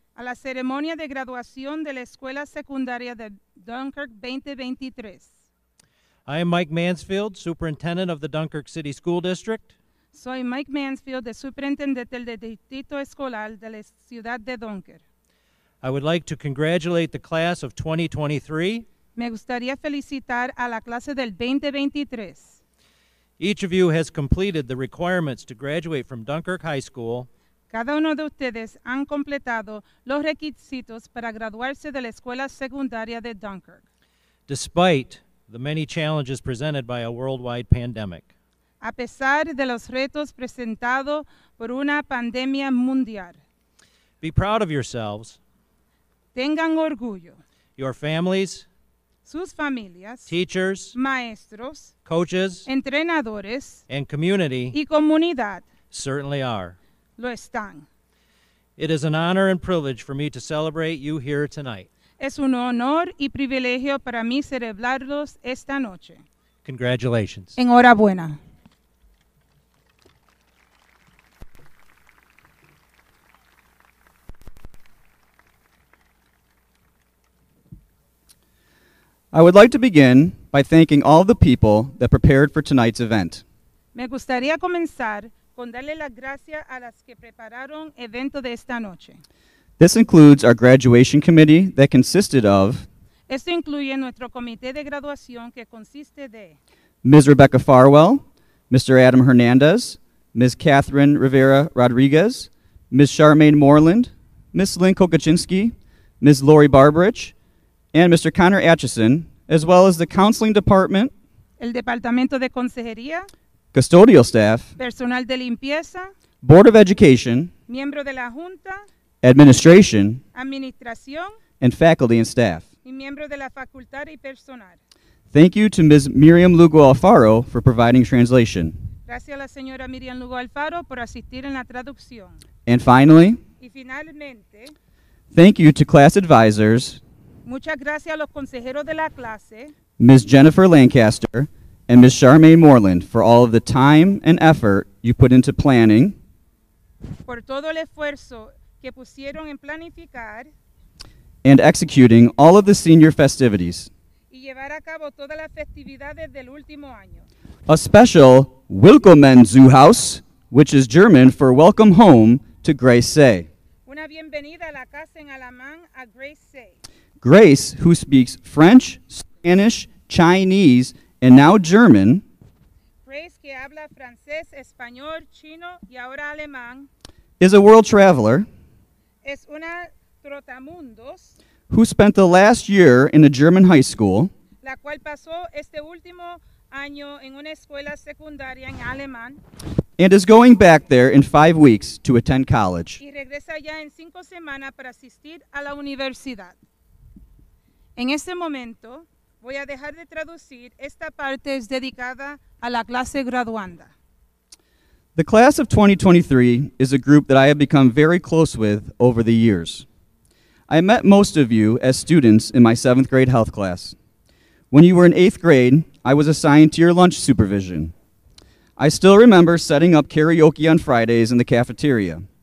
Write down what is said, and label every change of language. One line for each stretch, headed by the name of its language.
Spanish: A la ceremonia de graduación de la escuela secundaria de Dunkirk 2023.
English: I am Mike Mansfield, superintendent of the Dunkirk City School District.
Spanish: Soy Mike Mansfield, el superintendente del distrito escolar de la ciudad de Dunkirk.
English: I would like to congratulate the class of 2023.
Spanish: Me gustaría felicitar a la clase del 2023.
English: Each of you has completed the requirements to graduate from Dunkirk High School.
Spanish: Cada uno de ustedes han completado los requisitos para graduarse de la escuela secundaria de Dunkirk.
English: Despite the many challenges presented by a worldwide pandemic.
Spanish: A pesar de los retos presentados por una pandemia mundial.
English: Be proud of yourselves.
Spanish: Tengan orgullo.
English: Your families.
Spanish: Sus familias.
English: Teachers.
Spanish: Maestros.
English: Coaches.
Spanish: Entrenadores.
English: And community.
Spanish: Y comunidad.
English: Certainly are.
Spanish: Lo están.
English: It is an honor and privilege for me to celebrate you here tonight.
Spanish: Es un honor y privilegio para mí celebrarlos esta noche.
English: Congratulations.
Spanish: Enhorabuena.
English: I would like to begin by thanking all the people that prepared for tonight's event.
Spanish: Me gustaría comenzar con darle las gracias a las que prepararon el evento de esta noche.
English: This includes our graduation committee that consisted of
Spanish: Esto incluye nuestro comité de graduación que consiste de
English: Ms. Rebecca Farwell, Mr. Adam Hernandez, Ms. Catherine Rivera Rodriguez, Ms. Charmaine Moreland, Ms. Lynn Kokachinski, Ms. Lori Barbridge, and Mr. Connor Atchison, as well as the counseling department,
Spanish: el departamento de consejería,
English: custodial staff,
Spanish: personal de limpieza,
English: board of education,
Spanish: miembro de la junta,
English: administration,
Spanish: administración,
English: and faculty and staff,
Spanish: y miembro de la facultad y personal.
English: Thank you to Ms. Miriam Lugo Alfaro for providing translation.
Spanish: Gracias a la señora Miriam Lugo Alfaro por asistir en la traducción.
English: And finally,
Spanish: y finalmente,
English: thank you to class advisors,
Spanish: muchas gracias a los consejeros de la clase,
English: Ms. Jennifer Lancaster and Ms. Charmaine Moreland, for all of the time and effort you put into planning,
Spanish: por todo el esfuerzo que pusieron en planificar,
English: and executing all of the senior festivities,
Spanish: y llevar a cabo todas las festividades del último año.
English: A special
German: Willkommen Zuhause,
English: which is German for welcome home to Grace Say.
Spanish: Una bienvenida a la casa en alemán a Grace Say.
English: Grace, who speaks French, Spanish, Chinese, and now German,
Spanish: Grace, que habla francés, español, chino, y ahora alemán,
English: is a world traveler,
Spanish: es una trotamundos,
English: who spent the last year in a German high school,
Spanish: la cual pasó este último año en una escuela secundaria en alemán,
English: and is going back there in 5 weeks to attend college,
Spanish: y regresa ya en cinco semanas para asistir a la universidad. En este momento, voy a dejar de traducir. Esta parte es dedicada a la clase graduanda.
English: The class of 2023 is a group that I have become very close with over the years. I met most of you as students in my 7th grade health class. When you were in 8th grade, I was assigned to your lunch supervision. I still remember setting up karaoke on Fridays in the cafeteria.